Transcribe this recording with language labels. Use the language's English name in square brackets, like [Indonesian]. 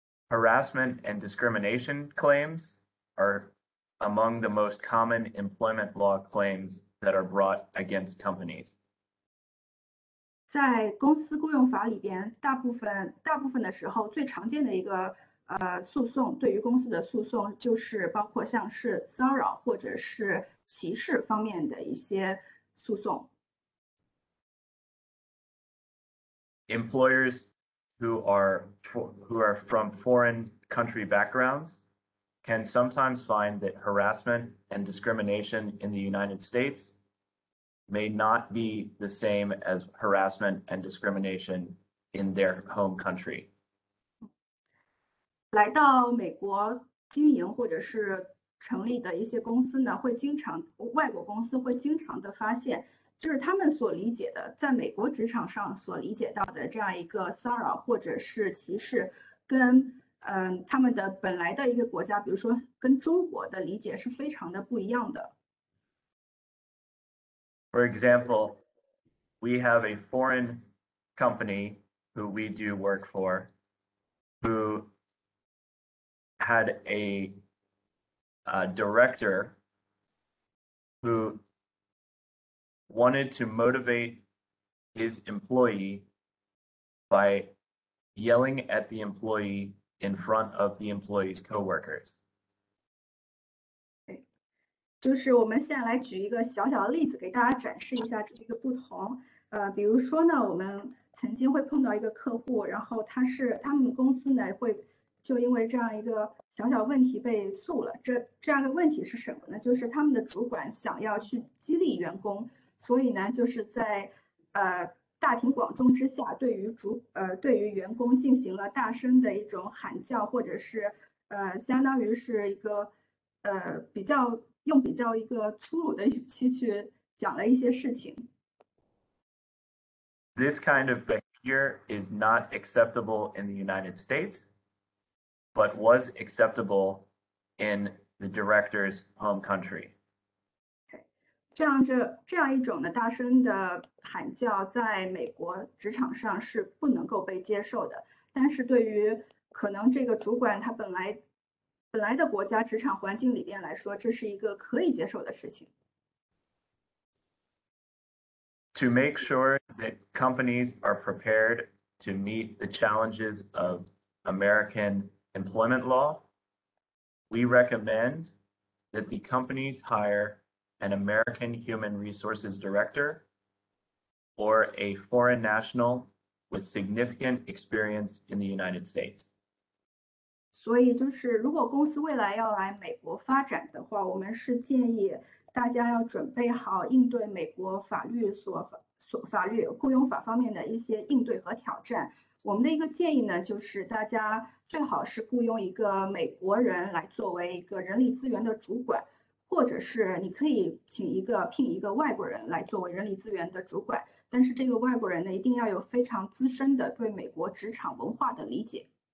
[English] Harassment and discrimination claims are among the most common employment law claims that are brought against companies. [Chinese] 在公司雇佣法里边，大部分的时候最常见的一个诉讼，对于公司的诉讼就是包括像是骚扰或者是歧视方面的一些诉讼。 [English] Employers who are from foreign country backgrounds can sometimes find that harassment and discrimination in the United States may not be the same as harassment and discrimination in their home country. [Chinese] 来到美国经营或者是成立的一些公司呢，会经常，外国公司会经常的发现，就是他们所理解的，在美国职场上所理解到的这样一个骚扰或者是歧视，跟他们的本来的一个国家，比如说跟中国的理解是非常的不一样的。 [English] For example, we have a foreign company who we do work for, who had a director who wanted to motivate his employee by yelling at the employee in front of the employee's coworkers. [Chinese] 就是我们现在来举一个小小的例子给大家展示一下这个不同。比如说呢，我们曾经会碰到一个客户，然后他们公司呢会就因为这样一个小小问题被诉了。这样的问题是什么呢？就是他们的主管想要去激励员工，所以呢就是在大庭广众之下对于员工进行了大声的一种喊叫，或者是相当于是一个比较用比较一个粗鲁的语气去讲了一些事情。 [English] This kind of behavior is not acceptable in the United States, but was acceptable in the director's home country. [Chinese] 这样一种的大声的喊叫在美国职场上是不能够被接受的，但是对于可能这个主管他本来的国家职场环境里面来说，这是一个可以接受的事情。 [English] To make sure that companies are prepared to meet the challenges of American employment law, we recommend that the companies hire an American Human Resources Director or a foreign national with significant experience in the United States. [Chinese] 所以就是如果公司未来要来美国发展的话，我们是建议大家要准备好应对美国法律雇佣法方面的一些应对和挑战。我们的一个建议呢，就是大家最好是雇佣一个美国人来作为一个人力资源的主管，或者是你可以聘一个外国人来作为人力资源的主管，但是这个外国人呢，一定要有非常资深的对美国职场文化的理解。